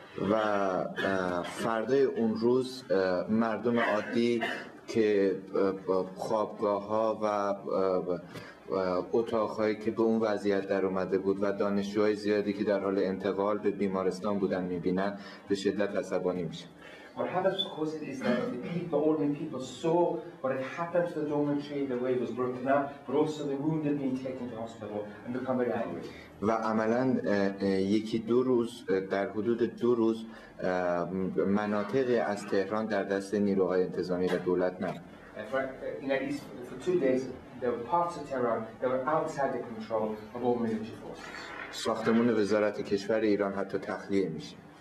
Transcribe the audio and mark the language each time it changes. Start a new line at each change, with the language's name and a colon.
Persian: و فردای اون روز مردم عادی که خوابگاه ها و اتاق‌هایی که به اون وضعیت در اومده بود و دانشجوهای زیادی که در حال انتقال به بیمارستان بودن میبینن به شدت عصبانی میشه.
English: What happens, of course, is that the ordinary people saw what had happened to the dormitory, the way it was broken up, but also the wounded being taken to hospital and become very angry.
Persian: و عملاً یکی دو روز در حدود دو روز مناطقی از تهران در دست نیروهای انتظامی و دولت نبود.
English: For 2 days, there were parts of Tehran that were outside the control of all military forces.
Persian: ساختمان وزارت کشور ایران حتی تخلیه میشه.